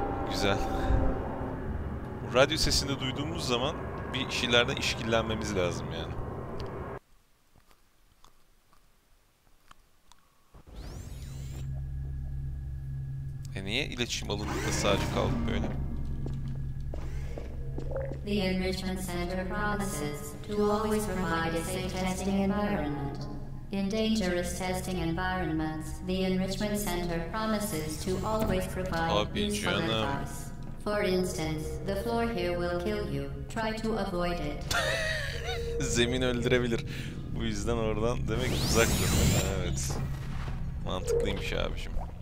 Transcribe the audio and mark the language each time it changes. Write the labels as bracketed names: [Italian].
[Turkish] Güzel. Radyo sesini duyduğumuz zaman bir şeylerden işkillenmemiz lazım yani. Niye iletişim alıp da sadece kaldık böyle? [English] The Enrichment Center promises to always provide a safe testing environment. In dangerous testing environments, the Enrichment Center promises to always provide useful advice. For instance, the floor here will kill you. Try to avoid it. [Turkish] Zemin öldürebilir. Bu yüzden oradan demek uzak dur. Evet. Mantıklıymış abiciğim.